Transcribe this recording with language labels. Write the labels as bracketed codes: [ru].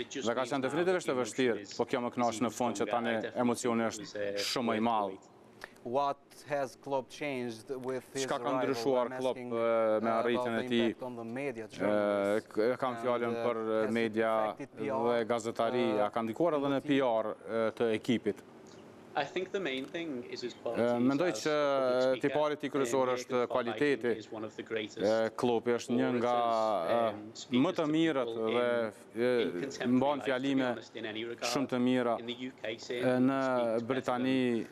[sq] Dhe ka qenë definitivisht e vështirë, po kjo më kënaqë në fund që tani emocioni është shumë më i madh. [en] What has Klopp changed with his [sq] arrival? Çka ka ndryshuar Klopp me arritjen e tij? Kam fjalën për media dhe gazetari, a ka ndikuar edhe në PR të ekipit? [en] I think the main thing is his quality. [sq] Mendoj që tipari i kryesor është kualiteti. Klopi është një nga më të mirët dhe mban fjalime shumë të mira në Britani.